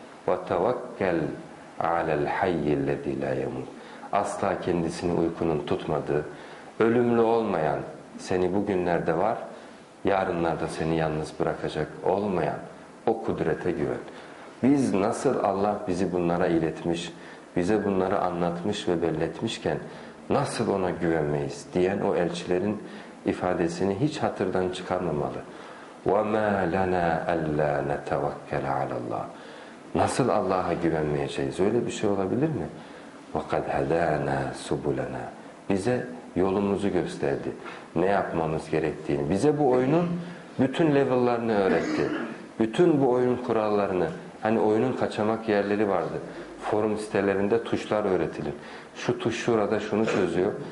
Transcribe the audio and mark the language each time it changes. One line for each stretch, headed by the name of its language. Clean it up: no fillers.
Arabic: وَتَوَكَّلْ عَلَى الْحَيِّ الَّذ۪ي لَا يَمُوتُ
Turkish: Asla kendisini uykunun tutmadığı, ölümlü olmayan, seni bugünlerde var, yarınlarda seni yalnız bırakacak olmayan o kudrete güven. Biz nasıl Allah bizi bunlara iletmiş, bize bunları anlatmış ve belletmişken nasıl ona güvenmeyiz diyen o elçilerin ifadesini hiç hatırdan çıkarmamalı.
Arabic: وَمَا لَنَا أَلَّا نَتَوَكَّلَ عَلَى اللّٰهِ
Turkish: Nasıl Allah'a güvenmeyeceğiz? Öyle bir şey olabilir mi?
Arabic: وَقَدْ هَدَانَا سُبُلَنَا
Turkish: Bize yolumuzu gösterdi. Ne yapmamız gerektiğini. Bize bu oyunun bütün level'larını öğretti. Bütün bu oyun kurallarını. Hani oyunun kaçamak yerleri vardı. Forum sitelerinde tuşlar öğretilir. Şu tuş şurada şunu çözüyor.